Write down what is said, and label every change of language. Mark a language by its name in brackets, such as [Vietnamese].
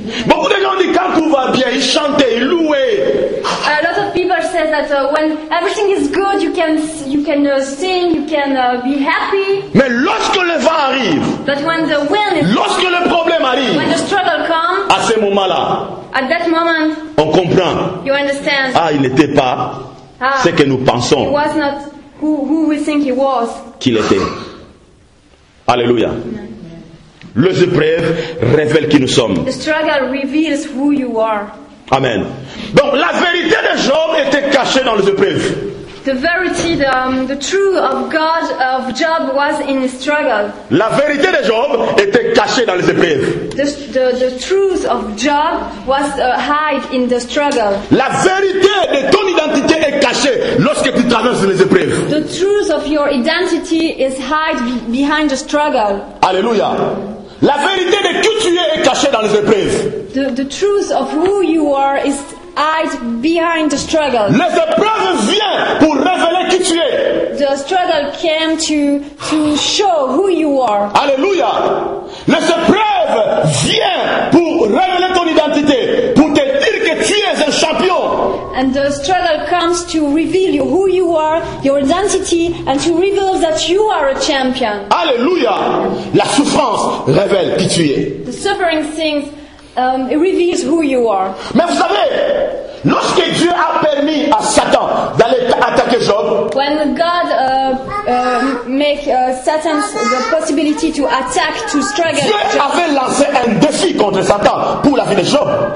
[French] Beaucoup de gens disent quand tout va bien, ils chantent, ils louent. [English] A lot of people say that when everything is good, you can sing, you can be happy. [French] Mais lorsque le vent arrive, [English] but when the wind is, [French] lorsque le problème arrive, [English] when the struggle comes, [French] à ce moment-là, [English] at that moment, [French] on comprend. [English] You understand? [French] Ah, il n'était pas ce que nous pensons. [English] He was not who we think he was. [French] Qu'il était. Alléluia. Les épreuves révèlent qui nous sommes. [English] The struggle reveals who you are. Amen. [French] Donc la vérité de Job était cachée dans les épreuves. [English] The verity, the truth of God of Job was in the struggle. [French] La vérité de Job était cachée dans les épreuves. [English] The truth of Job was hide in the struggle. [French] La vérité de ton identité est cachée lorsque tu traverses les épreuves. [English] The truth of your identity is hide behind the struggle. Alléluia. [French] La vérité de qui tu es est cachée dans les épreuves. [English] The truth of who you are is eyes behind the struggle. [French] Les épreuves viennent pour révéler qui tu es. [English] The struggle came to show who you are. Alléluia. [French] Les épreuves viennent pour révéler ton identité, pour te dire que tu es un champion. [English] And the struggle comes to reveal you who you are, your identity, and to reveal that you are a champion. [French] Alléluia. La souffrance révèle qui tu es. [English] The suffering things it reveals who you are. [French] Mais vous savez, lorsque Dieu a permis à Satan d'aller attaquer Job, [English] when God make Satan the possibility to attack, to struggle, [French] Dieu Job, avait lancé un défi contre Satan pour la vie de Job.